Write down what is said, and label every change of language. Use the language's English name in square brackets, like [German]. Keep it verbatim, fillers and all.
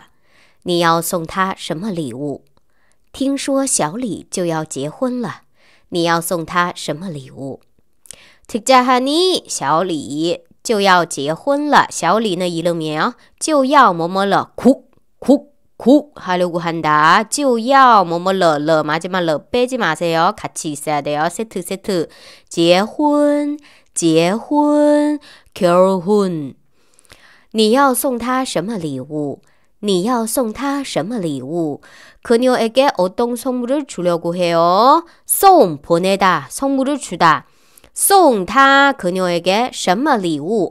[Chinese] 听说小李就要结婚了，你要送他什么礼物？听说小李就要结婚了，你要送他什么礼物？ [Korean] 듣자하니 [Chinese] 小李就要结婚了， [Korean] 小李는 이름이에요. 就要뭐뭐了, 국, 국. 국 하려고 한다. 就要 뭐뭐 러러 마지막 러 빼지 마세요. 같이 있어야 돼요. 세트 세트. 结婚 结婚 결혼. [Chinese] 你要送他什么礼物?你要送他什么礼物? [Korean] 그녀에게 어떤 선물을 주려고 해요? 送 보내다. 선물을 주다. 送他 그녀에게 [Chinese] 什么礼物?